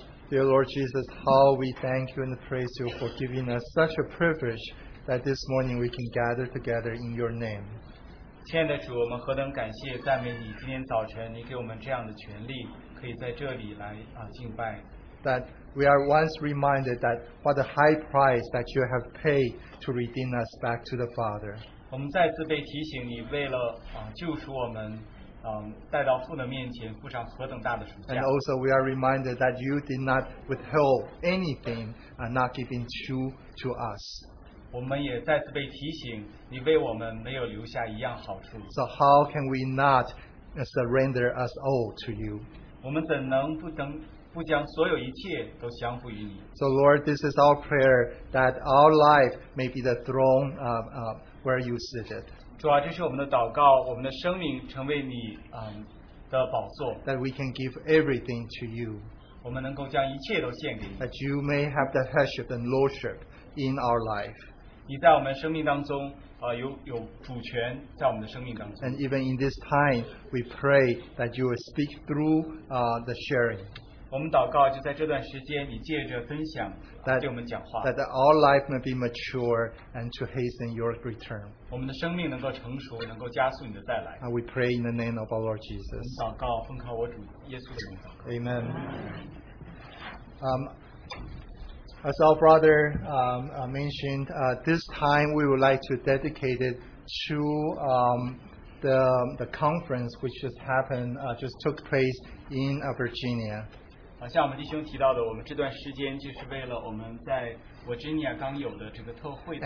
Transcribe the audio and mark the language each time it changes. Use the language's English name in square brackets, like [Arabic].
[English] Dear Lord Jesus, how we thank you and praise you for giving us such a privilege that this morning we can gather together in your name. [Chinese] 亲爱的主，我们何等感谢赞美你！今天早晨你给我们这样的权利，可以在这里来敬拜。 [English] That we are once reminded that what a high price that you have paid to redeem us back to the Father. [Chinese] 我们再次被提醒你为了救赎我们。 [English] And also we are reminded that you did not withhold anything and not giving to us. [Chinese] 我们也再次被提醒, [English] so how can we not surrender us all to you? [Chinese] 我们怎能不将, [English] so Lord, this is our prayer that our life may be the throne where you sit it. [Chinese] 主啊, 这是我们的祷告, 我们的生命成为你, [English] that we can give everything to you. [Chinese] 我们能够将一切都献给你, [English] that you may have the headship and lordship in our life. [Chinese] 你在我们生命当中, 有主权在我们的生命当中。 [English] And even in this time, we pray that you will speak through the sharing. [Chinese] 我们祷告就在这段时间你借着分享, [English] that our life may be mature and to hasten your return. [Chinese] 我们的生命能够成熟, 能够加速你的再来。 [English] And we pray in the name of our Lord Jesus. [Chinese] 我们祷告, 奉靠我主耶稣的名祷告。 [English] Amen. As our brother mentioned, this time we would like to dedicate it to the conference which just happened, just took place in Virginia. [Chinese] 像我们弟兄提到的，我们这段时间就是为了我们在 Virginia 刚有的这个特会的。